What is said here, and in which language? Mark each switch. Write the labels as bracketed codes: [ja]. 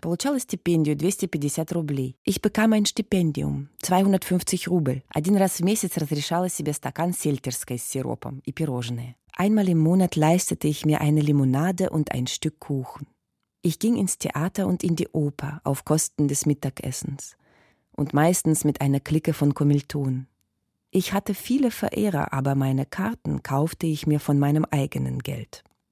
[ru] Получала стипендию 250 рублей. [de] Ich bekam ein Stipendium, 250 рубль. [ru] Один раз в месяц разрешала себе стакан сельтерской с сиропом и пирожные. [de] Einmal im Monat leistete ich mir eine Limonade und ein Stück Kuchen. Ich ging ins Theater und in die Oper auf Kosten des Mittagessens. Und meistens mit einer Clique von Kommilitonen. Ich hatte viele Verehrer, aber meine Karten kaufte ich mir von meinem eigenen Geld.